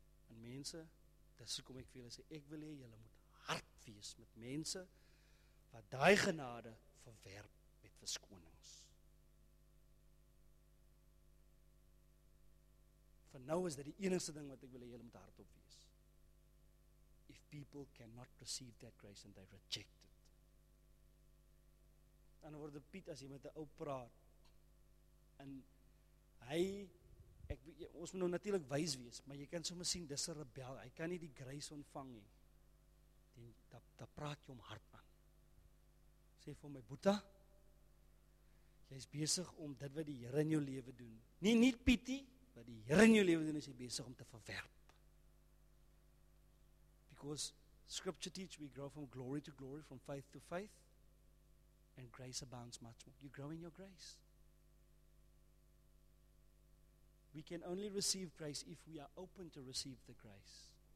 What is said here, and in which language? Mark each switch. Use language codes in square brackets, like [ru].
[af] En mense, dis hoekom ek vir julle sê, ek wil hê julle moet hard wees met mense wat daai genade verwerp met verskonings. For nou is dit die enigste ding wat ek wil hê julle moet hardop wees. [en] If people cannot receive that grace and they reject it. [af] Dan word Piet as jy met 'n ou praat en hy ek ons moet nou natuurlik wys wees, maar jy kan sommer sien dis 'n rebel. Hy kan nie die grace ontvang nie. Dan da praat jy hom hard aan. Sê vir my Boeta, jy is besig om dit wat die Here in jou lewe doen. Nie Pietie wat die Here in jou lewe doen is jy besig om te verwerp. [en] Because scripture teach we grow from glory to glory, from faith to faith, and grace abounds much more. You grow in your grace. We can only receive grace if we are open to receive the grace.